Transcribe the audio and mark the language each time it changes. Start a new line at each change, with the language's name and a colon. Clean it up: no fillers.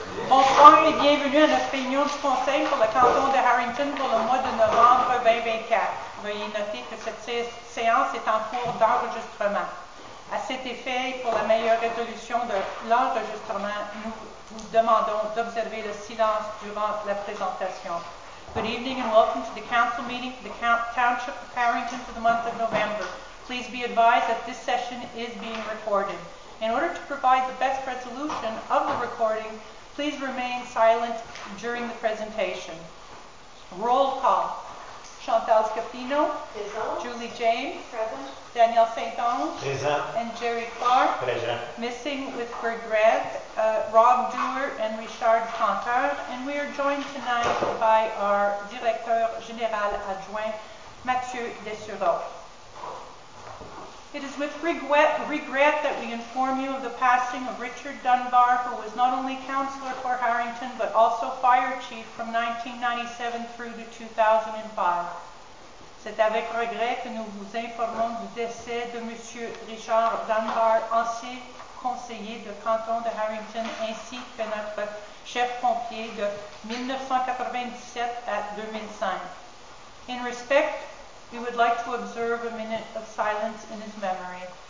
French: Bonsoir et bienvenue à notre réunion du conseil pour le canton de Harrington pour le mois de novembre 2024. Veuillez noter que cette séance est en cours d'enregistrement. À cet effet, pour la meilleure résolution de l'enregistrement, nous vous demandons d'observer le silence durant la présentation.
English: Good evening and welcome to the council meeting for the township of Harrington for the month of November. Please be advised that this session is being recorded. In order to provide the best resolution of the recording, please remain silent during the presentation. Roll call. Chantal Scapino. Present. Julie James. Present. Danielle Saint-Ange. Present. And Jerry Clark. Present. Missing with regret, Rob Dewar and Richard Cantor. And we are joined tonight by our Directeur General Adjoint, Mathieu Dessureau. It is with regret that we inform you of the passing of Richard Dunbar, who was not only counselor for Harrington, but also fire chief from 1997 through to 2005.
French: C'est avec regret que nous vous informons du décès de Monsieur Richard Dunbar, ancien conseiller de canton de Harrington, ainsi que notre chef pompier de 1997 à 2005.
English: In respect, we would like to observe a minute of silence in his memory.